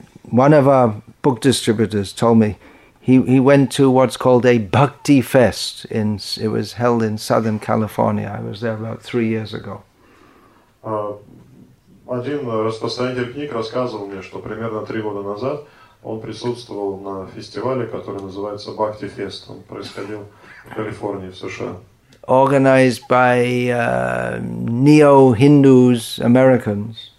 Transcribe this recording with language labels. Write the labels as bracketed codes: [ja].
[en] One of our book distributors told me he went to what's called a bhakti fest. It was held in Southern California. I was there about 3 years ago. [ru] Один распространитель книг рассказывал мне, что примерно 3 года назад он присутствовал на фестивале, который называется Bhakti Fest. Он происходил в Калифорнии, в США. [en] Organized by neo-Hindus Americans.